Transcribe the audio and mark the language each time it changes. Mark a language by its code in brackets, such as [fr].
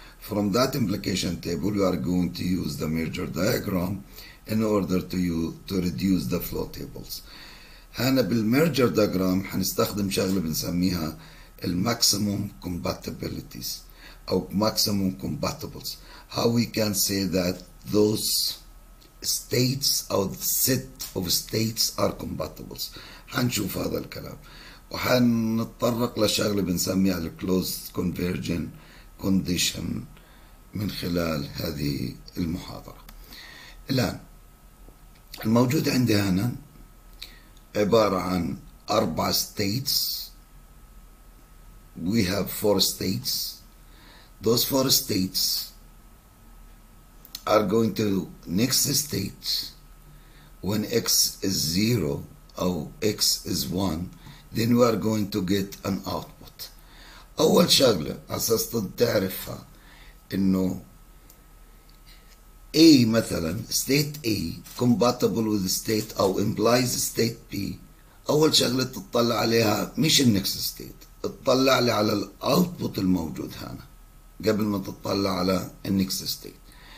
[en] From that implication table we are going to use the merger diagram in order to reduce the flow tables. [ar] هنا بالمرجر دايجرام هنستخدم شغله بنسميها [en] الماكسيموم كومباتيبيليتيز او maximum compatibles. How we can say that those states or set of states are compatible. [ar] هنشوف هذا الكلام وحنتطرق لشغل بنسميها الـ [en] closed convergent condition [ar] من خلال هذه المحاضرة. الآن الموجود عندي هنا عبارة عن أربع states. [en] We have four states. Those four states are going to next state when x is 0 or x is 1, then we are going to get an output. [ar] أول شغلة أساس تعرفها إنه A مثلا state A [en] compatible with state [ar] أو [en] implies state B. [ar] أول شغلة تطلع عليها مش next state, تطلع لي على الoutput الموجود هنا قبل ما تطلع على next state.